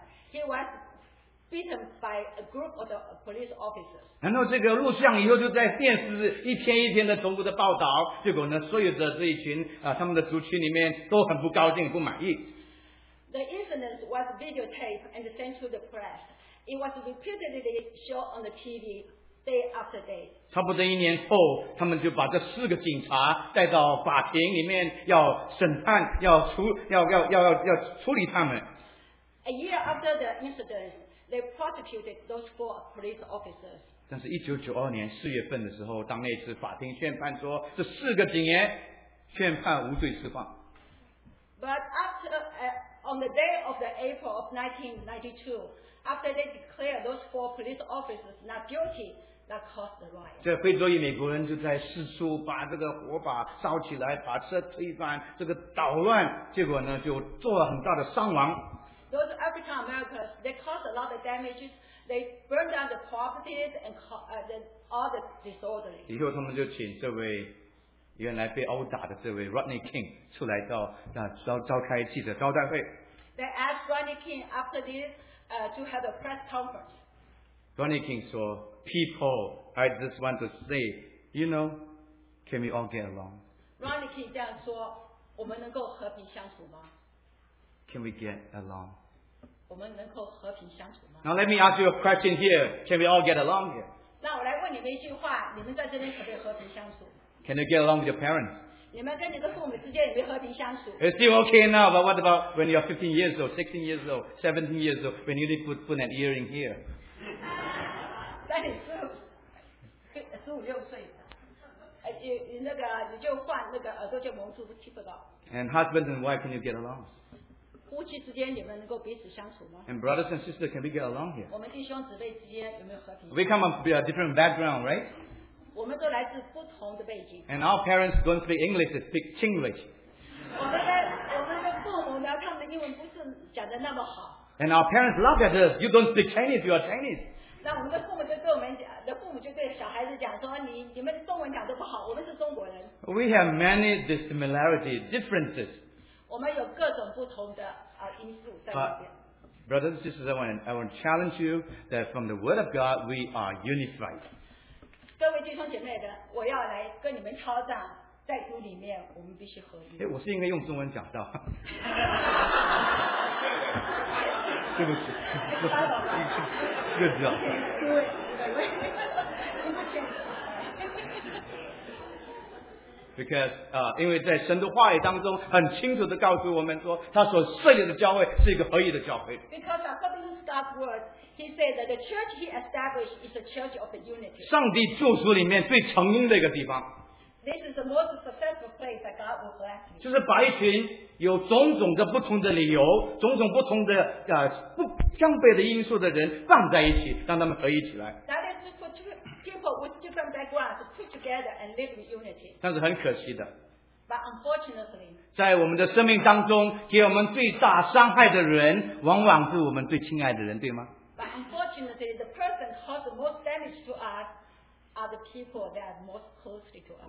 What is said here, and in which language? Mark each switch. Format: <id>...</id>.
<en>He was beaten by a group of the police officers.</en> <zh>然后这个录像以后就在电视一天一天的重复的报道，结果呢，所有的这一群他们的族群里面都很不高兴，不满意。</zh> <en>The incident was videotaped and sent to the press. It was repeatedly shown on the TV day after day.</en> <zh>差不多一年后，他们就把这4个警察带到法庭里面要审判，要处理他们。</zh> <en>A year after the incident. They prosecuted those 4 police officers.</en> <zh>但是1992年四月份的时候，当那次法庭宣判说这4个警员宣判无罪释放。</zh> <en>But after on the day of the April of 1992, after they declared those 4 police officers not guilty, that caused the riot.</en> <zh>这非洲裔美国人就在四处把这个火把烧起来，把车推翻，这个捣乱，结果呢就做了很大的伤亡。</zh> <en>Those African Americans, they caused a lot of damages. They burned down the properties and all the disorder.</en> <zh>以后他们就请这位原来被殴打的这位 Rodney King 出来到召开记者招待会。</zh> <en>They asked Rodney King after this to have a press conference. Rodney King 说 "People, I just want to say, you know, can we all get along?"</en> <zh>Rodney King 这样说，我们能够和平相处吗？</zh> <en>Can we get along?</en> <zh>我们能够和平相处吗？</zh> <en>Now let me ask you a question here. Can we all get along here?</en> <zh>那我来问你们一句话，你们在这边可不可以和平相处？</zh> <en>Can you get along with your parents?</en> <zh>你们跟你的父母之间有没有和平相处？</zh> <en>It's still okay now, but what about when you're 15 years old, 16 years old, 17 years old, when you need to put an earring here?</en> <zh>那你15、16岁，你就换那个耳朵就蒙住，不听不到。</zh> <en>And husband and wife, can you get along?</en> <zh>夫妻之间，你们能够彼此相处吗</zh> <en>？And brothers and sisters, can we get along here?</en> <zh>我们弟兄姊妹之间有没有和平</zh> <en>？We come from a different background, right?</en> <zh>我们都来自不同the背景。</zh> <en>And our parents don't speak English; they speak Chinglish.</en> <zh>我们的父母呢，他们的英文不是讲的那么好。</zh> <en>And our parents laugh at us. You don't speak Chinese; you are Chinese.</en> <zh>那我们的父母就对我们的父母就对小孩子讲说，你们中文讲的不好，我们是中国人。</zh> <en>We have many dissimilarities, differences.</en> <zh>我们有各种不同的因素在里面。</zh> <en>Brothers and sisters, I want to challenge you that from the Word of God we are unified.</en> <zh>各位弟兄姐妹的，我要来跟你们敲诈，在主里面我们必须合一。我是应该用中文讲到。对不起。不知道。不知道。诸位，你们请</zh> <en>Because</en> <zh>因为在神的话语当中很清楚地告诉我们说，他所设立的教会是一个合一的教会。</zh> <en>Because according to God's word, He said that the church He established is a church of the unity.</en> <zh>上帝住所里面最成功的一个地方。</zh> <en>This is the most successful place that God will bless you.</en> <zh>就是把一群有种种的不同的理由、种种不同的不相悖的因素的人放在一起，让他们合一起来。</zh> <en>That is to put people with different backgrounds put together and live in unity.</en> <zh>但是很可惜的。</zh> <en>But unfortunately,</en> <zh>在我们的生命当中，给我们最大伤害的人，往往是我们最亲爱的人，对吗？</zh> <en>But unfortunately, the person caused the most damage to us. Are the people that are most closely to us.</en>